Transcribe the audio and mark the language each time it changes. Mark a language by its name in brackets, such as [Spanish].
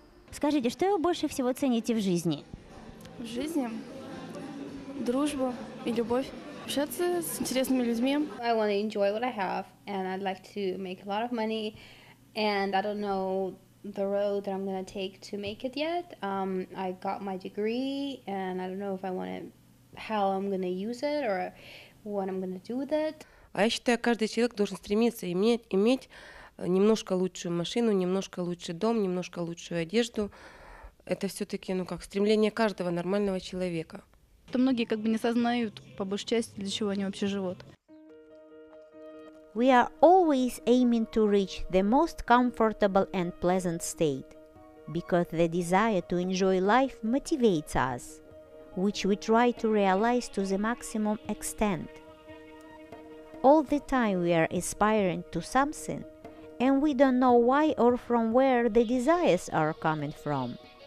[Russian] Скажите, что вы больше всего цените в жизни? В жизни? Дружбу и любовь. Общаться с интересными людьми. [English] I want to enjoy what I have, and I'd like to make a lot of money, and I don't know the road that I'm going to take to make it yet. I got my degree, and I don't know if I want to, how I'm going to use it, or what I'm going to do with it. [Russian] А я считаю, каждый человек должен стремиться иметь немножко лучшую машину, немножко лучший дом, немножко лучшую одежду. Это все-таки, ну как, стремление каждого нормального человека. То многие как бы не сознают, по большей части, для чего они вообще живут. [English] We are always aiming to reach the most comfortable and pleasant state, because the desire to enjoy life motivates us, which we try to realize to the maximum extent. All the time we are aspiring to something, and we don't know why or from where the desires are coming from.